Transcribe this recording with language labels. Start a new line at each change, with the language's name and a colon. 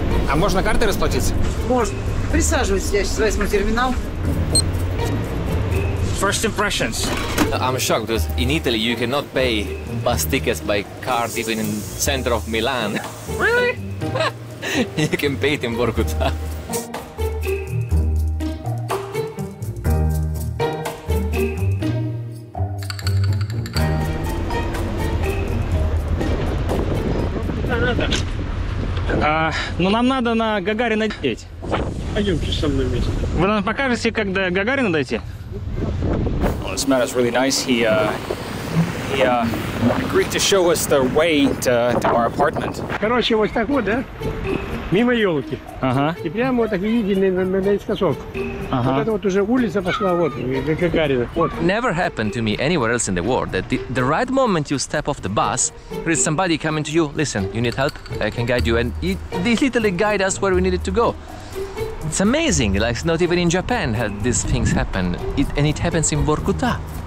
Russian: А можно картой расплатиться? Можно. Присаживайтесь, я сейчас возьму терминал.
English: First impressions. I'm shocked because in Italy you cannot pay bus tickets by card even in center of Milan. Really? You can pay it in Vorkuta.
Russian: Ну, нам надо на Гагарина 9. Пойдемте со мной вместе. Вы нам покажете, как до Гагарина дойти?
English: Well, this man is really nice. He agreed to show us the way to our apartment.
Russian: Короче, вот так вот, да? Мимо елки. Ага. И прямо вот так видели наискосок. Ага. Вот это вот уже улица пошла, вот, до Гагарина. Вот.
English: Never happened to me anywhere else in the world that the right moment you step off the bus, there is somebody coming to you, listen, you need help, I can guide you, and they literally guide us where we needed to go. It's amazing, like not even in Japan had these things happen, and it happens in Vorkuta.